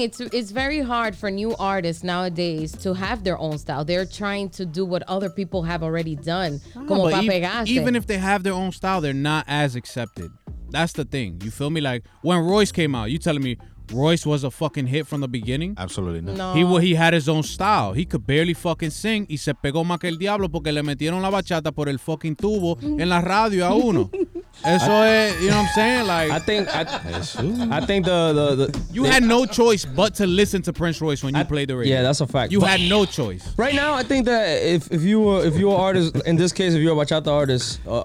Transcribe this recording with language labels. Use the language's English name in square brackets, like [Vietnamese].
[English] It's very hard for new artists nowadays to have their own style. They're trying to do what other people have already done. Even if they have their own style, they're not as accepted. That's the thing. You feel me? Like, when Royce came out, you telling me Royce was a fucking hit from the beginning? Absolutely not. No. He had his own style. He could barely fucking sing. [Spanish] Y se pegó más que el diablo porque le metieron la bachata por el fucking tubo en la radio a uno. [English] You know what I'm saying? Like, I think had no choice but to listen to Prince Royce when you played the radio. Yeah, that's a fact. You had no choice. Right now, I think that if you're an artist, in this case, if you're a bachata artist,